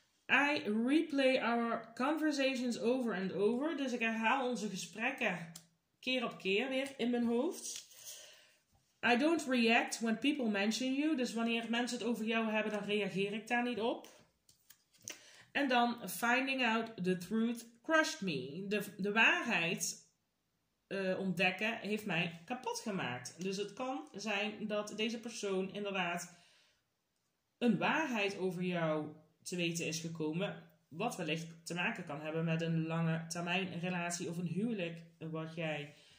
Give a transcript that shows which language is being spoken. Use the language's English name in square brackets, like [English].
[English] I replay our conversations over and over. [Dutch] Dus ik herhaal onze gesprekken keer op keer weer in mijn hoofd. [English] I don't react when people mention you. [Dutch] Dus wanneer mensen het over jou hebben, dan reageer ik daar niet op. En dan, [English] finding out the truth crushed me. [Dutch] De waarheid ontdekken heeft mij kapot gemaakt. Dus het kan zijn dat deze persoon inderdaad een waarheid over jou te weten is gekomen. Wat wellicht te maken kan hebben met een lange termijn relatie of een huwelijk wat jij